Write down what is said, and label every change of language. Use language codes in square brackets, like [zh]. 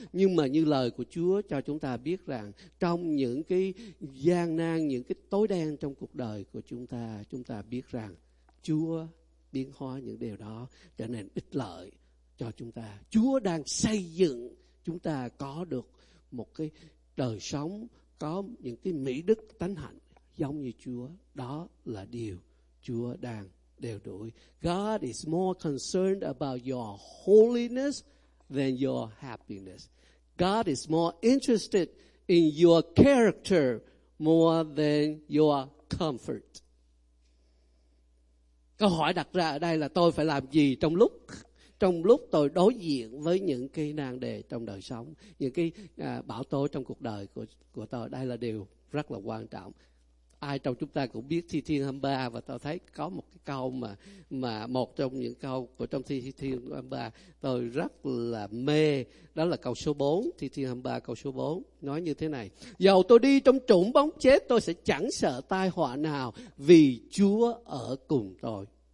[vi] Nhưng mà như lời của Chúa cho chúng ta biết rằng, trong những cái gian nan, những cái tối đen trong cuộc đời của chúng ta biết rằng Chúa biến hóa những điều đó trở nên ích lợi cho chúng ta. Chúa đang xây dựng chúng ta có được một cái đời sống, có những cái mỹ đức tánh hạnh giống như Chúa. Đó là điều Chúa đang đeo đuổi. [en] God is more concerned about your holiness than your happiness. God is more interested in your character more than your comfort. [vi] Câu hỏi đặt ra ở đây là tôi phải làm gì trong lúc tôi đối diện với những cái nan đề trong đời sống, những cái bão tố trong cuộc đời của tôi. Đây là điều rất là quan trọng. Ai trong chúng ta cũng biết Thi Thiên 23, và tôi thấy có một cái câu mà một trong những câu của trong Thi Thiên 23 tôi rất là mê, đó là câu số 4, Thi Thiên 23 câu số 4 nói như thế này: dầu tôi đi trong trũng bóng chết, tôi sẽ chẳng sợ tai họa nào, vì Chúa ở cùng tôi.